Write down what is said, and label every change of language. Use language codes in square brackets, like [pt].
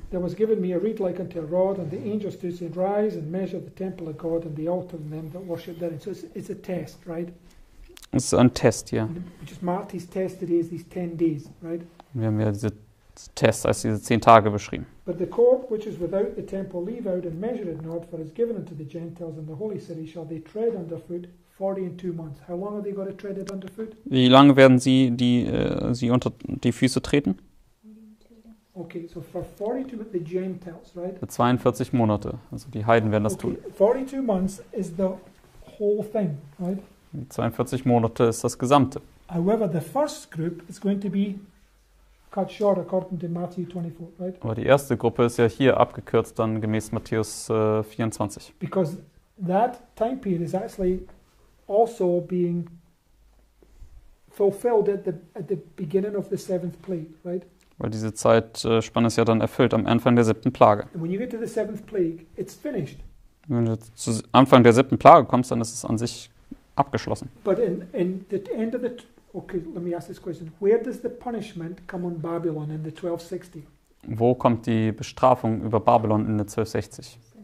[en] There was given me a reed like unto a rod, and the angel stood and rise and measure the temple of God and the altar and them that worship therein. So it's a test, right? [de] Es ist ein Test, ja. [en] Which is marked his test today is these 10 days, right? [de] Wir haben ja diese Tests als diese 10 Tage beschrieben. [en] But the court which is without the temple leave out and measure it not, for it is given unto the Gentiles and the holy city shall they tread underfoot 42 months. How long are they going to tread it underfoot? [de] Wie lange werden sie die sie unter die Füße treten? [en] Okay, so for 42 the Gentiles, right? [de] 42 Monate, also die Heiden werden das tun. [en] 42 months is the whole thing, right? [de] 42 Monate ist das Gesamte. [en] However, the first group is going to be cut short according to Matthew 24, right? [de] Aber die erste Gruppe ist ja hier abgekürzt dann gemäß Matthäus 24. [en] Because that time period is actually also being fulfilled at the beginning of the seventh plague, right? [de] Weil diese Zeitspanne ist ja dann erfüllt am Anfang der siebten Plage. [en] When you get to the seventh plague, it's finished. [de] Wenn du zu Anfang der siebten Plage kommst, dann ist es an sich abgeschlossen. [en] But in the end of the okay, let me ask this question. Where does the punishment come on Babylon in the 1260? [de] Wo kommt die Bestrafung über Babylon in der 1260?